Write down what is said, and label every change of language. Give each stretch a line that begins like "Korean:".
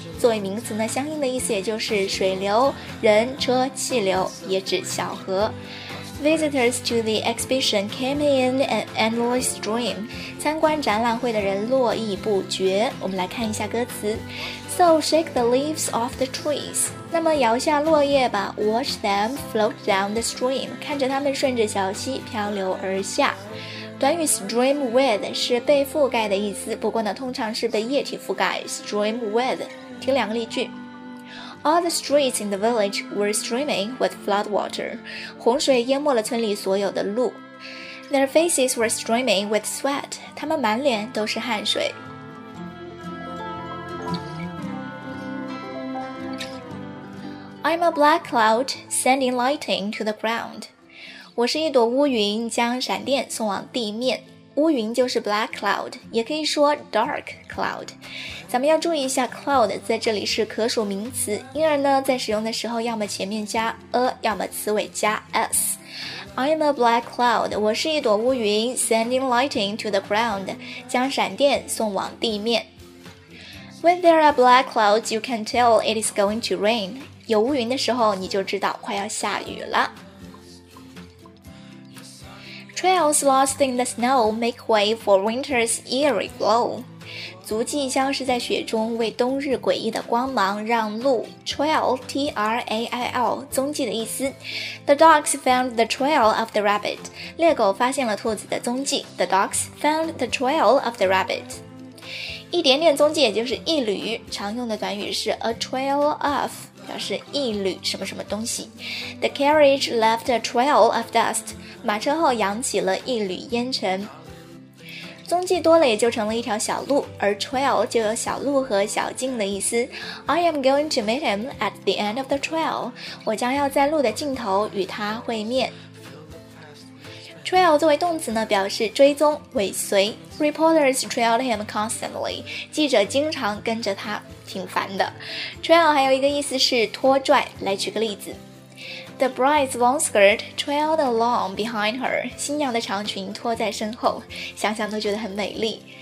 Chinese: 作为名词呢，相应的意思也就是水流、人、车、气流，也指小河。
English: Visitors to the exhibition came in an endless stream.
Chinese: 参观展览会的人络绎不绝。我们来看一下歌词。
English: So shake the leaves off the trees.
Chinese: 那么摇下落叶吧。
English: Watch them float down the stream.
Chinese: 看着他们顺着小溪漂流而下。短语 stream with 是被覆盖的意思，不过呢，通常是被液体覆盖。Stream with. 听两个例句。
English: All the streets in the village were streaming with flood water.
Chinese: 洪水淹没了村里所有的路。
English: Their faces were streaming with sweat.
Chinese: 他们满脸都是汗水。 I'm a black cloud sending lightning to the ground. 我是一朵乌云将闪电送往地面。乌云就是 black cloud, 也可以说 dark cloud。咱们要注意一下 cloud 在这里是可数名词，因而呢在使用的时候要么前面加 a, 要么词尾加 s。
English: I'm a black cloud,
Chinese: 我是一朵乌云
English: sending lightning to the ground,
Chinese: 将闪电送往地面。
English: When there are black clouds, you can tell it is going to rain.
Chinese: 有乌云的时候你就知道快要下雨了。
English: Trails lost in the snow make way for winter's eerie glow.
Chinese: 足迹消失在雪中，为冬日诡异的光芒让路。 Trail, T-R-A-I-L, 踪迹的意思。
English: The dogs found the trail of the rabbit.
Chinese: 猎狗发现了兔子的踪迹。
English: The dogs found the trail of the rabbit.
Chinese: 一点点踪迹也就是一缕，常用的短语是 a trail of. 表示一缕什么什么东西。
English: The carriage left a trail of dust.
Chinese: 马车后扬起了一缕烟尘。踪迹多了也就成了一条小路，而 trail 就有小路和小径的意思。
English: I am going to meet him at the end of the trail.
Chinese: 我将要在路的尽头与他会面。 trail 作为动词呢，表示追踪、尾随。
English: Reporters trailed him constantly.
Chinese: 记者经常跟着他，挺烦的。 trail 还有一个意思是拖拽。来举个例子。
English: The bride's long skirt trailed along behind her.
Chinese: 新娘的长裙拖在身后，想想都觉得很美丽。